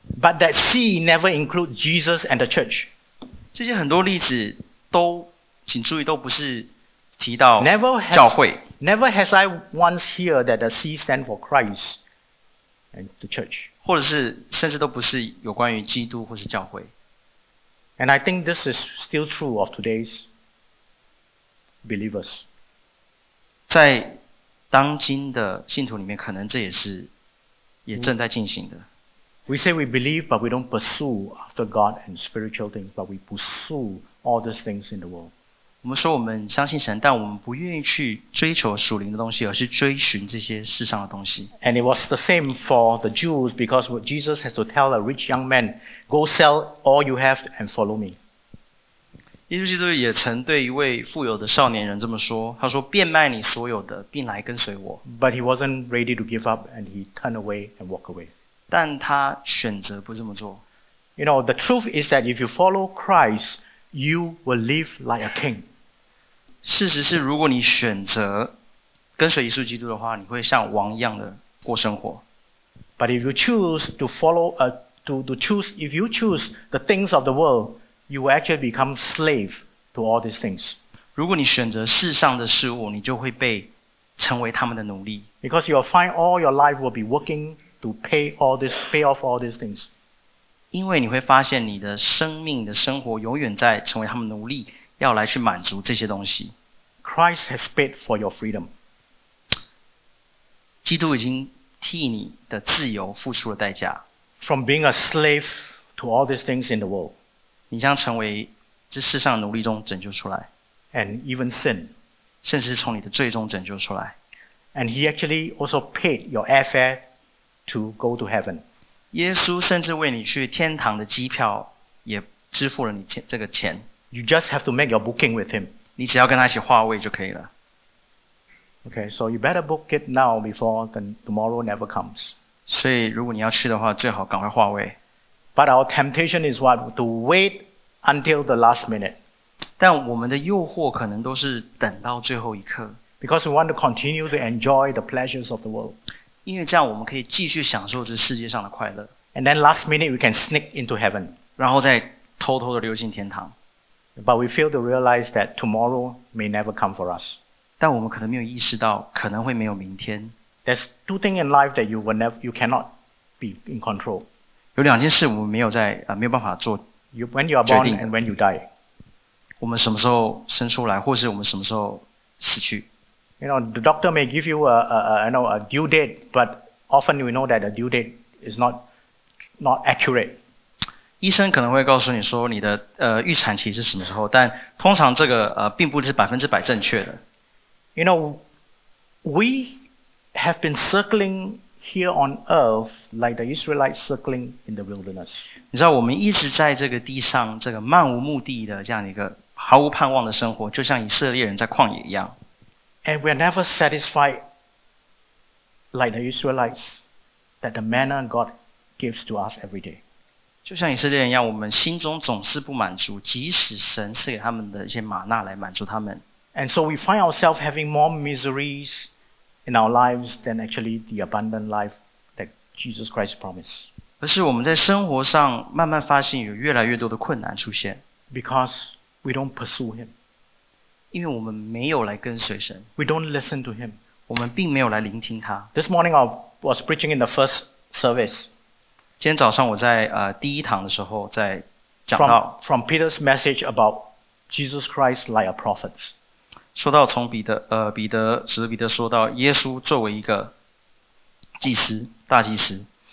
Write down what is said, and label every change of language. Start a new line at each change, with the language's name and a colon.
English: But that C never includes Jesus and the church.
Chinese: 这些很多例子都请注意都不是提到教会。
English: Never has I once heard that the C stand for Christ and the church.
Chinese: 或者是甚至都不是有关于基督或是教会。
English: And I think this is still true of today's believers.
Chinese: 在当今的信徒里面，可能这也是也正在进行的。
English: We say we believe, but we don't pursue after God and spiritual things, but we pursue all these things in the world.
Chinese: 我们说我们相信神，但我们不愿意去追求属灵的东西，而是追寻这些世上的东西。
English: And it was the same for the Jews, because Jesus has to tell a rich young man, go sell all you have and follow me.
Chinese: 耶稣基督也曾对一位富有的少年人这么说，他说变卖你所有的，并来跟随我。
English: But he wasn't ready to give up, and he turned away and walked away.
Chinese: 但他选择不这么做。
English: You know, the truth is that if you follow Christ, you will live like a king.
Chinese: 事实是，如果你选择跟随耶稣基督的话，你会像王一样的过生活。
English: But if you choose to follow, if you choose the things of the world, you will actually become slave to all these things.
Chinese: 如果你选择世上的事物，你就会被成为他们的奴隶。
English: Because you will find all your life will be working. To pay off all these things.
Chinese: 因为你会发现你的生命的生活永远在成为他们奴隶，要来去满足这些东西。
English: Christ has paid for your freedom.
Chinese: 基督已经替你的自由付出了代价。
English: From being a slave to all these things in the world.
Chinese: 你将成为这世上奴隶中拯救出来。
English: And even sin.
Chinese: 甚至是从你的罪中拯救出来。
English: And he actually also paid your airfare. To go to heaven.
Chinese: 耶稣甚至为你去天堂的机票也支付了你这个钱。
English: You just have to make your booking with him.
Chinese: 你只要跟他一起划位就可以了。
English: Okay, so you better book it now before the tomorrow never comes.
Chinese: 所以如果你要去的话，最好赶快划位。
English: But our temptation is what? To wait until the last minute.
Chinese: 但我们的诱惑可能都是等到最后一刻。
English: Because we want to continue to enjoy the pleasures of the world.
Chinese: 因为这样我们可以继续享受这世界上的快乐。
English: And then last minute we can sneak into heaven.
Chinese: 然后再偷偷地溜进天堂。
English: But we fail to realize that tomorrow may never come for us.
Chinese: 但我们可能没有意识到可能会没有明天。
English: There's two things in life that you cannot be in control.
Chinese: 有两件事我们没有办法做决定。
English: When you are born and when you die.
Chinese: 我们什么时候生出来或是我们什么时候死去。
English: You know, the doctor may give you a due date, but often we know that the due date is not accurate.
Chinese: 医生可能会告诉你说你的预产期是什么时候，但通常这个并不是百分之百正确的。
English: You know, we have been circling here on earth like the Israelites circling in the wilderness.
Chinese: 你知道我们一直在这个地上这个漫无目的的这样一个毫无盼望的生活，就像以色列人在旷野一样。
English: And we are never satisfied like the Israelites that the manna God gives to us every day.
Chinese: 就像以色列人一样，我们心中总是不满足，即使神赐给他们的一些玛纳来满足他们。
English: And so we find ourselves having more miseries in our lives than actually the abundant life that Jesus Christ promised.
Chinese: 而是我们在生活上慢慢发现有越来越多的困难出现。
English: Because we don't pursue Him.
Chinese: 因为我们没有来跟随神。
English: We don't listen to him.
Chinese: 我们并没有来聆听他。
English: This morning I was preaching in the first service.
Chinese: 今天早上我在第一堂的时候在讲到。
English: From Peter's message about Jesus Christ like a prophet.
Chinese: 说到从使徒彼得说到耶稣作为一个祭司，大祭司。